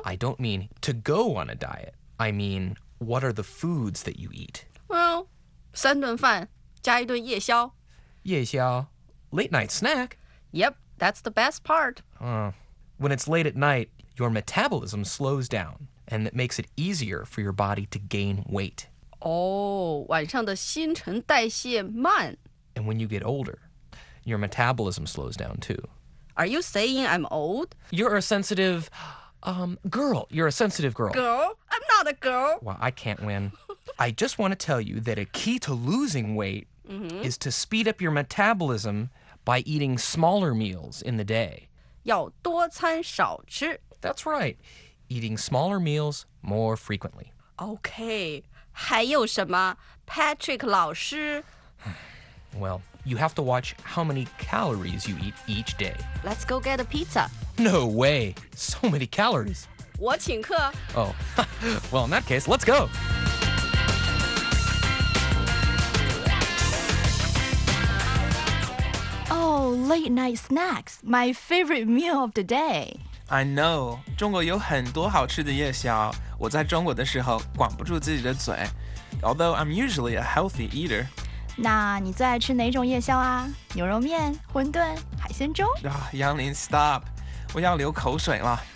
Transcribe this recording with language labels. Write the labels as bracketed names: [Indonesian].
[English] I don't mean to go on a diet. I mean, what are the foods that you eat? [Chinese] Well, 三顿饭加一顿夜宵。 [English] 夜宵 late night snack. Yep, that's the best part. When it's late at night, your metabolism slows down, and it makes it easier for your body to gain weight. [Chinese] Oh, 晚上的新陈代谢慢。 [English] And when you get older, your metabolism slows down too. Are you saying I'm old? You're a sensitive, girl. You're a sensitive girl. Girl? I'm not a girl. Well, I can't win. I just want to tell you that a key to losing weight. Mm-hmm. is to speed up your metabolism by eating smaller meals in the day. [Chinese] 要多餐少吃。 [English] That's right. Eating smaller meals more frequently. [Chinese] Okay. 还有什么 Patrick 老师 [English] Well, you have to watch how many calories you eat each day. Let's go get a pizza. No way. So many calories. [Chinese] 我请客。 [English] Oh. Well, in that case, let's go. Late night snacks, my favorite meal of the day. I know. [Chinese] 中国有很多好吃的夜宵，我在中国的时候管不住自己的嘴。 [English] Although I'm usually a healthy eater. [Chinese] 那你最爱吃哪种夜宵啊？牛肉面、馄饨、海鲜粥？杨林 stop. 我要流口水了。